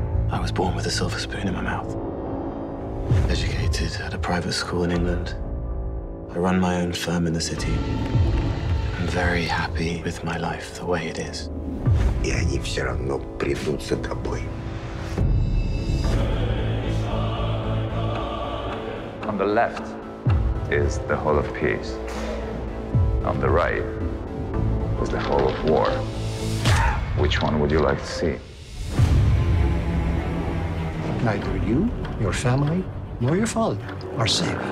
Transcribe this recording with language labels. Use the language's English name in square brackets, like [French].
[English] I was born with a silver spoon in my mouth. Educated at a private school in England. I run my own firm in the city. I'm very happy with my life the way it is. [Russian] И они все равно придут за тобой. [English] On the left is the Hall of Peace. On the right is the Hall of War. Which one would you like to see? Neither you, your family, nor your father are safe.